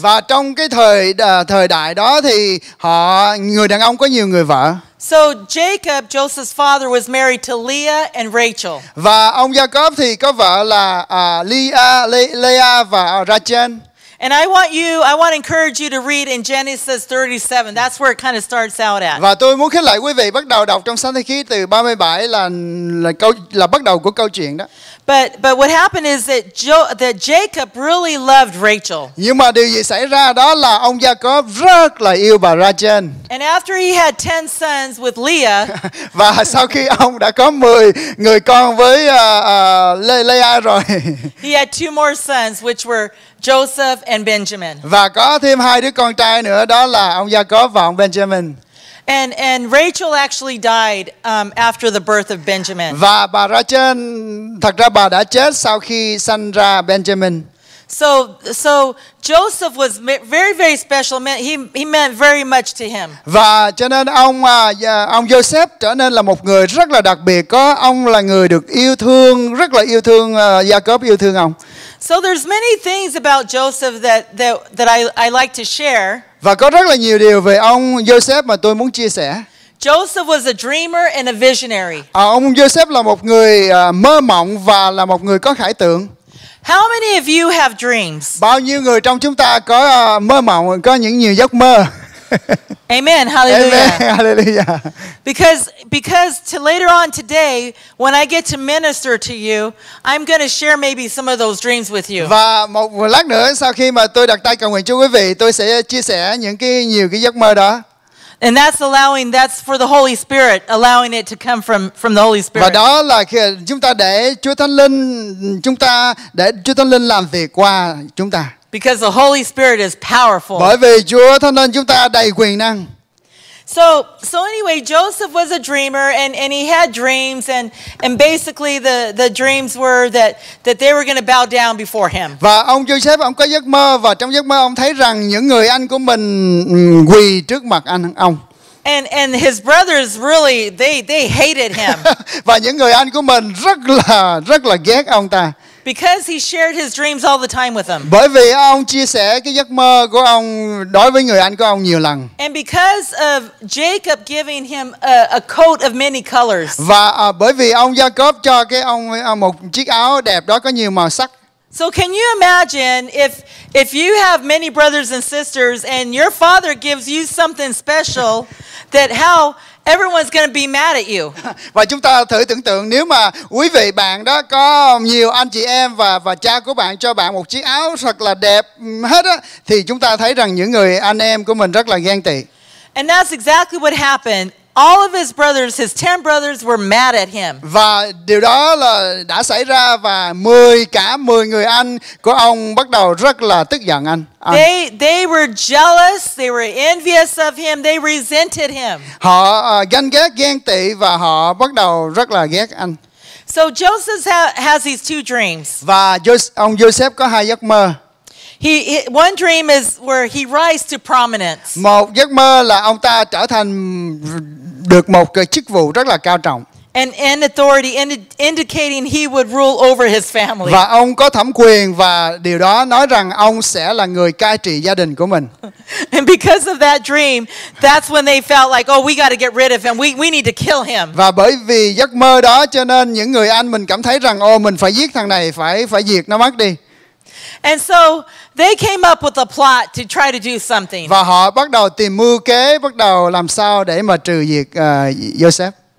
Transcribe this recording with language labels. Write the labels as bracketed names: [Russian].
[Vietnamese] Và trong cái thời đại đó thì họ người đàn ông có nhiều người vợ. [English] So Jacob, Joseph's father, was married to Leah and Rachel. [Vietnamese] Và ông Jacob thì có vợ là Leah và Rachel. [English] And I want to encourage you to read in Genesis 37. That's where it kind of starts out at. [Vietnamese] Và tôi muốn khích lệ quý vị bắt đầu đọc trong Sáng Thế Ký từ 37 là bắt đầu của câu chuyện đó. [English] But what happened is that Jacob really loved Rachel. [Vietnamese] Nhưng mà điều gì xảy ra đó là ông Jacob rất là yêu bà Rachel. [English] And after he had 10 sons with Leah. [Vietnamese] Và sau khi ông đã có 10 người con với Leah rồi. [English] He had 2 more sons which were Joseph and Benjamin. [Vietnamese] Và có thêm 2 đứa con trai nữa đó là ông Jacob và ông Benjamin. [English] And Rachel actually died after the birth of Benjamin. [Vietnamese] Và bà Rachel thật ra bà đã chết sau khi sanh ra Benjamin. [English] So Joseph was very, very special. He meant very much to him. [Vietnamese] Và cho nên ông Joseph trở nên là một người rất là đặc biệt. Có ông là người được yêu thương, rất là yêu thương Jacob, yêu thương ông. [English] So there's many things about Joseph that I like to share. [Vietnamese] Và có rất là nhiều điều về ông Joseph mà tôi muốn chia sẻ. [English] Joseph was a dreamer and a visionary. [Vietnamese] Ông Joseph là một người mơ mộng và là một người có khải tượng. [English] How many of you have dreams? [Vietnamese] Bao nhiêu người trong chúng ta có mơ mộng, có những nhiều giấc mơ? [English] Amen. Hallelujah. [Vietnamese] Amen. Hallelujah. [English] Because to later on today, when I get to minister to you, I'm going to share maybe some of those dreams with you. [Vietnamese] Và một lát nữa sau khi mà tôi đặt tay cầu nguyện cho quý vị, tôi sẽ chia sẻ những cái nhiều cái giấc mơ đó. [English] And that's for the Holy Spirit, allowing it to come from the Holy Spirit. [Vietnamese] Và đó là khi chúng ta để Chúa Thánh Linh, chúng ta để Chúa Thánh Linh làm việc qua chúng ta. [English] Because the Holy Spirit is powerful. [Vietnamese] Bởi vì Chúa Thánh Linh chúng ta đầy quyền năng. [English] So anyway, Joseph was a dreamer and he had dreams and basically the dreams were that they were going to bow down before him. [Vietnamese] Và ông Joseph ông có giấc mơ và trong giấc mơ ông thấy rằng những người anh của mình quỳ trước mặt anh ông. [English] And his brothers really they hated him. [Vietnamese] Và những người anh của mình rất là ghét ông ta. [English] Because he shared his dreams all the time with them. [Vietnamese] Bởi vì ông chia sẻ cái giấc mơ của ông đối với người anh của ông nhiều lần. [English] And because of Jacob giving him a coat of many colors. [Vietnamese] Và bởi vì ông Jacob cho cái ông một chiếc áo đẹp đó có nhiều màu sắc. [English] So can you imagine if you have many brothers and sisters and your father gives you something special that how everyone's going to be mad at you. [Vietnamese] Và chúng ta thử tưởng tượng nếu mà quý vị bạn đó có nhiều anh chị em và cha của bạn cho bạn một chiếc áo thật là đẹp hết á thì chúng ta thấy rằng những người anh em của mình rất là ghen tị. [English] And that's exactly what happened. All of his brothers, his 10 brothers were mad at him. [Vietnamese] Và điều đó là đã xảy ra và 10 cả 10 người anh của ông bắt đầu rất là tức giận anh. [English] They were jealous, they were envious of him, they resented him. [Vietnamese] Họ ganh ghét, ghen tị và họ bắt đầu rất là ghét anh. [English] So Joseph has these two dreams. [Vietnamese] Và ông Joseph có hai giấc mơ. [English] One dream is where he rises to prominence. [Vietnamese] Một giấc mơ là ông ta trở thành được một cái chức vụ rất là cao trọng. [English] And authority indicating he would rule over his family. [Vietnamese] Và ông có thẩm quyền và điều đó nói rằng ông sẽ là người cai trị gia đình của mình. [English] And because of that dream, that's when they felt like, oh, we got to get rid of him. We need to kill him. [Vietnamese] Và bởi vì giấc mơ đó cho nên những người anh mình cảm thấy rằng, oh, mình phải giết thằng này, phải diệt nó mất đi. [English] And so they came up with a plot to try to do something. [Vietnamese] Và họ bắt đầu tìm mưu kế, bắt đầu làm sao để mà trừ diệt Joseph.